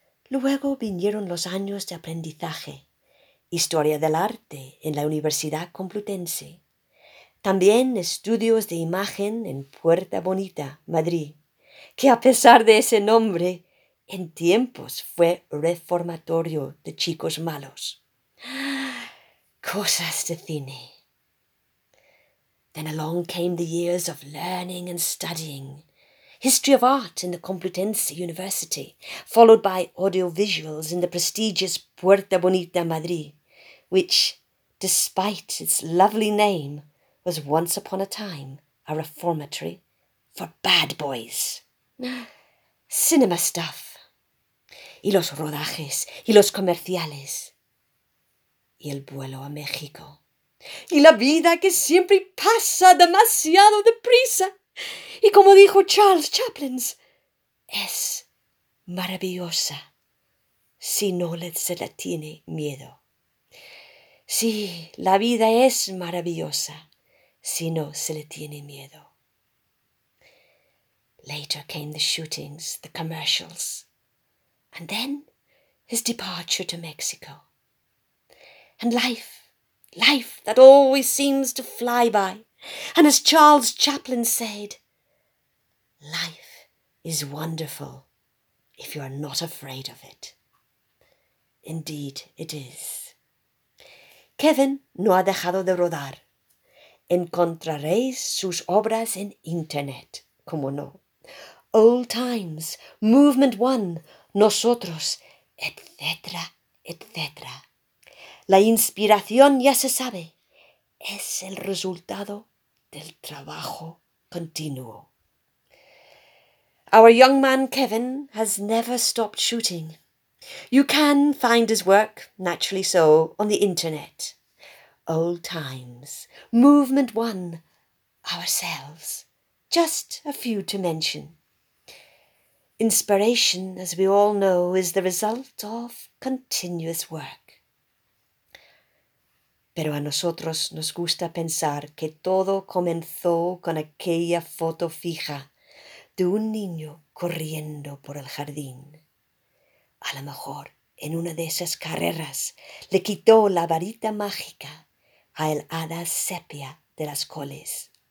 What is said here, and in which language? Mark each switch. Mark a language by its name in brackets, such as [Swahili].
[Spanish] Luego vinieron los años de aprendizaje, historia del arte en la Universidad Complutense, también estudios de imagen en Puerta Bonita, Madrid, que a pesar de ese nombre, en tiempos fue reformatorio de chicos malos. Cosas de cine. [English] Then along came the years of learning and studying. History of art in the Complutense University, followed by audiovisuals in the prestigious Puerta Bonita, Madrid, which, despite its lovely name, was once upon a time a reformatory for bad boys. Cinema stuff. [Spanish] Y los rodajes, y los comerciales. Y el vuelo a México. Y la vida que siempre pasa demasiado deprisa. Y como dijo Charles Chaplin, es maravillosa si no se la tiene miedo. Sí, la vida es maravillosa si no se le tiene miedo. [English] Later came the shootings, the commercials, and then his departure to Mexico. And life that always seems to fly by. And as Charles Chaplin said, life is wonderful if you are not afraid of it. Indeed, it is. [Spanish] Kevin no ha dejado de rodar. Encontraréis sus obras en internet, como no. Old Times, Movement One, Nosotros, etc., etc. La inspiración, ya se sabe, es el resultado del trabajo continuo. [English] Our young man Kevin has never stopped shooting. You can find his work, naturally so, on the internet. Old Times, Movement One, Ourselves. Just a few to mention. Inspiration, as we all know, is the result of continuous work. [Spanish] Pero a nosotros nos gusta pensar que todo comenzó con aquella foto fija de un niño corriendo por el jardín. A lo mejor en una de esas carreras le quitó la varita mágica a el hada sepia de las coles.